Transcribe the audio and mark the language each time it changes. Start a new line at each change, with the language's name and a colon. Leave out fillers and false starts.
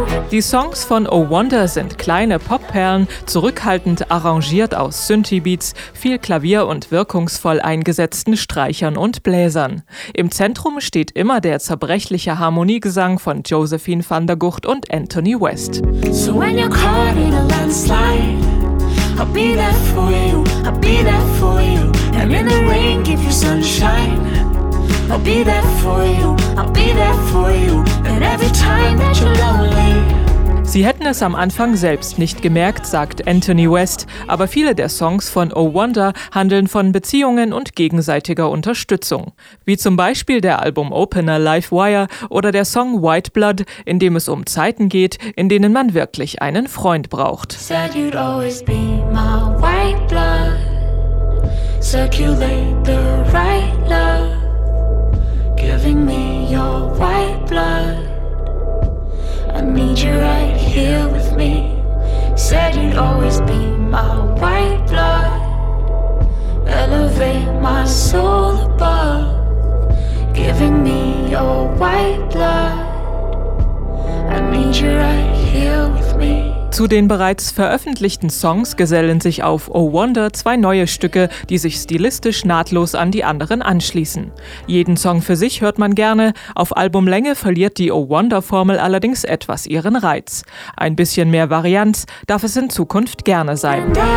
German: Die Songs von Oh Wonder sind kleine Popperlen, zurückhaltend arrangiert aus Synthie-Beats, viel Klavier und wirkungsvoll eingesetzten Streichern und Bläsern. Im Zentrum steht immer der zerbrechliche Harmoniegesang von Josephine van der Gucht und Anthony West.
English: So when you're caught in a landslide, I'll be there for you, I'll be there for you. And in the rain, give you sunshine. I'll be there for you, I'll be there for you. And every time that you're lonely.
German: Sie hätten es am Anfang selbst nicht gemerkt, sagt Anthony West, aber viele der Songs von Oh Wonder handeln von Beziehungen und gegenseitiger Unterstützung. Wie zum Beispiel der Album-Opener Live Wire oder der Song White Blood, in dem es um Zeiten geht, in denen man wirklich einen Freund braucht.
English: Said you'd always be my white blood. Circulate the right love. Giving me your white blood. I need you right here with me. Said you'd always be my white blood. Elevate my soul above. Giving me your white blood. I need you right here with me.
German: Zu den bereits veröffentlichten Songs gesellen sich auf Oh Wonder zwei neue Stücke, die sich stilistisch nahtlos an die anderen anschließen. Jeden Song für sich hört man gerne, auf Albumlänge verliert die Oh Wonder-Formel allerdings etwas ihren Reiz. Ein bisschen mehr Varianz darf es in Zukunft gerne sein.